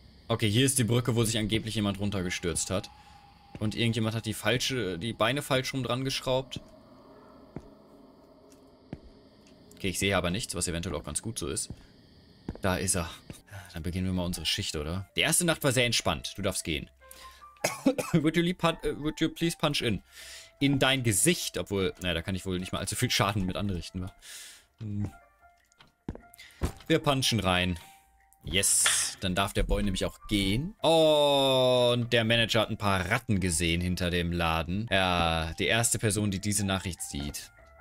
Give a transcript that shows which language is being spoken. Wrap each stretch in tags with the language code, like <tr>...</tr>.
<de>Okay, hier ist die Brücke, wo sich angeblich jemand runtergestürzt hat. Und irgendjemand hat die Beine falsch rum dran geschraubt. Okay, ich sehe aber nichts, was eventuell auch ganz gut so ist. Da ist er. Dann beginnen wir mal unsere Schicht, oder? Die erste Nacht war sehr entspannt. Du darfst gehen.</de> <en>Would you please punch in?</en> <de>In dein Gesicht, obwohl... Naja, da kann ich wohl nicht mal allzu viel Schaden mit anrichten. Wir punchen rein. Yes, dann darf der Boy nämlich auch gehen. Und der Manager hat ein paar Ratten gesehen hinter dem Laden. Ja, die erste Person, die diese Nachricht sieht.</de>